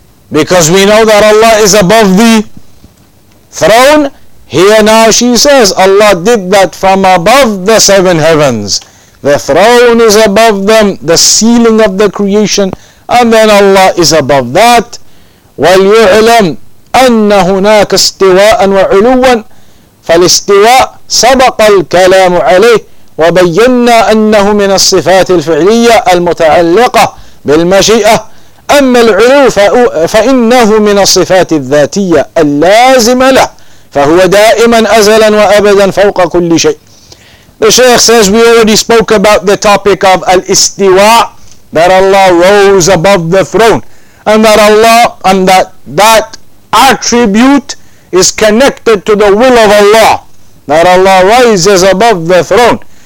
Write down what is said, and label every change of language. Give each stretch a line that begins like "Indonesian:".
English: Because we know that Allah is above the throne. Here now she says, Allah did that from above the seven heavens. The throne is above them, the ceiling of the creation. And then Allah is above that.
Arabic: وليعلم أن هناك استواء وعلوا. فالاستواء سبق الكلام عليه وبينا أنه من الصفات الفعلية المتعلقة بالمشيئة. أما العلو فإنه من الصفات الذاتية اللازمة له، فهو دائما أزلا وأبدا فوق كل شيء.
English: The Shaykh says we already spoke about the topic of al-istiwa, that Allah rose above the throne, and that Allah and that attribute is connected to the will of Allah, that Allah rises above the throne.